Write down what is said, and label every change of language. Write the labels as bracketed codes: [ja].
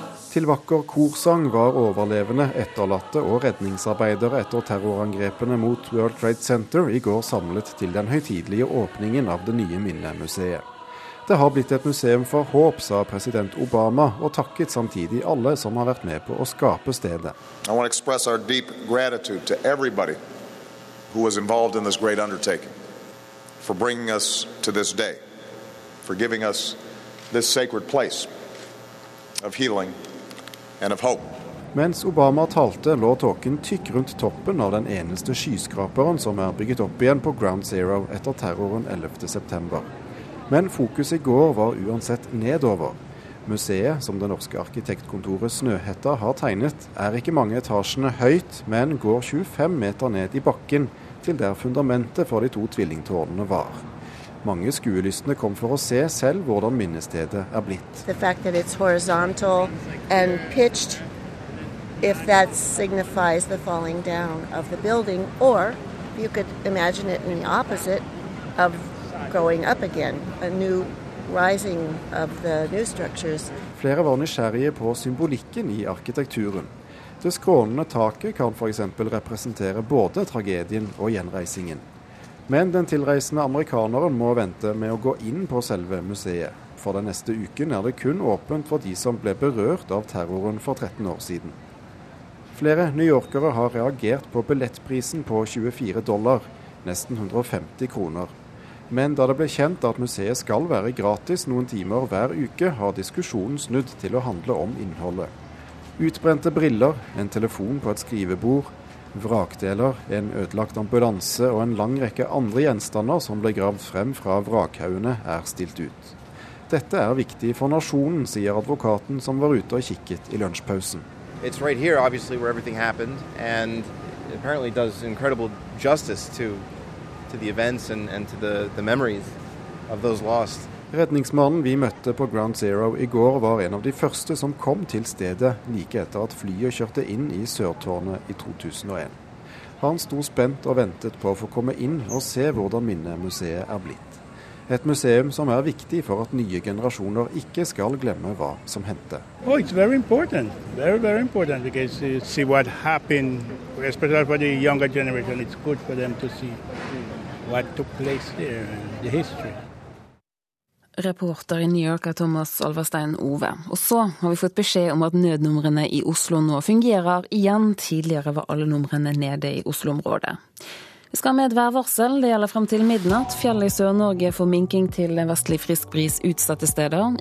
[no] Til vakker korsang var overlevende, etterlatte og redningsarbeidere etter terrorangrepene mot World Trade Center i går samlet til den høytidelige åpningen av det nye minnemuseet. Det har blitt et museum for håp, sa president Obama, og takket samtidig alle som har vært med på å skape stedet. [en] I want to express our deep gratitude to everybody who was involved in this great undertaking for bringing us to this day, for giving us this sacred place of healing and of hope. [no] Mens Obama talte, lå tåken tykk rundt toppen av den eneste skyskraperen som er bygget opp igjen på Ground Zero etter terroren 11. september. Men fokus i går var uansett nedover. Museet, som det norske arkitektkontoret Snøhetta har tegnet, er ikke mange etasjene høyt, men går 25 meter ned i bakken til der fundamentet for de to tvillingtårnene var. Mange skuelystne kom for å se selv hvordan minnestedet er blitt. [en] The fact that it's horizontal and pitched, if that signifies the falling down of the building, or you could imagine it in the opposite of going up again, a new rising of the new structures. [no] Flere var nysgjerrige på symbolikken i arkitekturen. Det skrånende taket kan for eksempel representere både tragedien og gjenreisingen. Men den tilreisende amerikaneren må vente med å gå inn på selve museet. For den neste uken er det kun åpent for de som ble berørt av terroren for 13 år siden. Flere newyorkere har reagert på billettprisen på $24, nesten 150 kroner. Men da det ble kjent at museet skal være gratis noen timer hver uke, har diskusjonen snudd til å handle om innholdet. Utbrente briller, en telefon på et skrivebord, vrakdeler, en ødelagt ambulanse og en lang rekke andre gjenstander som ble gravd frem fra vrakhaugene er stilt ut. Dette er viktig for nasjonen, sier advokaten som var ute og kikket i lunsjpausen. [en] It's right here, obviously, where everything happened, and it apparently does incredible justice to the events and to the memories of those lost. [no] Redningsmannen vi møtte på Ground Zero i går var en av de første som kom til stedet like etter at flyet kjørte inn i Sørtårnet i 2001. Han sto spent og ventet på å få komme inn og se hvordan minnemuseet er blitt. Et museum som er viktig for at nye generasjoner ikke skal glemme hva som hendte. [en] Oh, it's very important. Very, very important because you see what happened, especially for the younger generation. It's good for them to see what took place there, the history. [no] Reporter i New York er Thomas Alverstein Ove. Og så har vi fått beskjed om at nødnumrene i Oslo nå fungerer igjen. Tidligere var alle numrene nede i Oslo-området. Vi skal med et værvarsel. Det gjelder frem til midnatt. Fjell i Sør-Norge får minking til vestlig frisk bris utsatte steder.